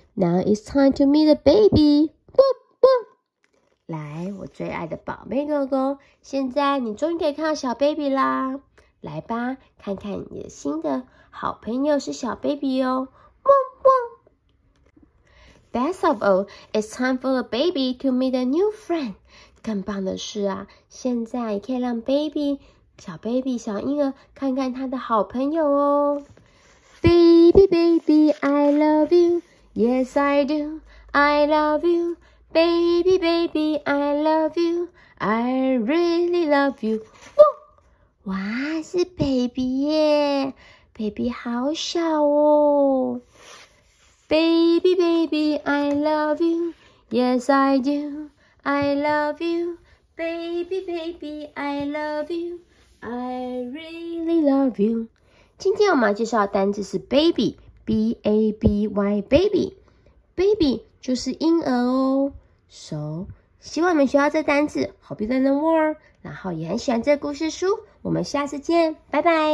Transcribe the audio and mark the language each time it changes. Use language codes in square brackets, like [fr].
[en] Now it's time to meet the baby. Boop, boop. [zh] 来，我最爱的宝贝狗狗，现在你终于可以看到小 baby 啦。来吧，看看你的新的好朋友是小 baby 哦。汪汪。 [en] Best of all, it's time for the baby to meet a new friend. [zh] 更棒的是啊，现在可以让 baby... 小 baby 小婴儿看看他的好朋友哦。 [en] Baby baby I love you. Yes I do. I love you. Baby baby I love you. I really love you. [zh] 哇，是 baby 耶， baby 好小哦。 [en] Baby baby I love you. Yes I do. I love you. Baby baby I love youI really love you. [zh] 今天我们要介绍的单字是 baby, B-A-B-Y, baby. Baby 就是婴儿哦。So, 希望你们学到这单字 , [en] Hope you learn the word, [zh] 然后也很喜欢这故事书。我们下次见，拜拜。